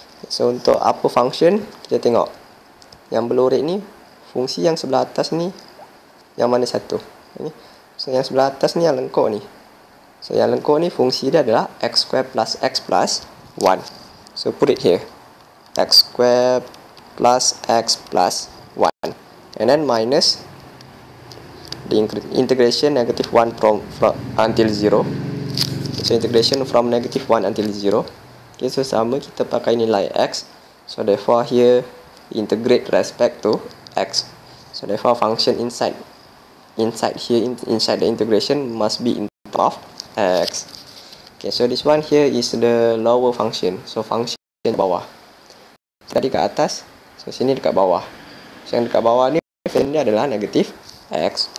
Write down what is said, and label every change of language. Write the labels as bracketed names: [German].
[Malay] So untuk upper function, kita tengok yang belorek ni, fungsi yang sebelah atas ni yang mana satu? Ini. So yang sebelah atas ni yang lengkok ni. So yang lengkok ni fungsi dia adalah x square plus x plus 1. [English] So put it here, x square plus x plus 1, and then minus the integration negative 1 from until 0. So integration from negative 1 until 0. Okay, so [Malay] sama kita pakai nilai x. [English] So therefore here integrate respect to x. So therefore function inside here, inside the integration must be in term of x. Okay, so this one here is the lower function. [Malay] So function bawah. Tadi kat atas, so sini dekat bawah. So yang dekat bawah ni, ini adalah negative x.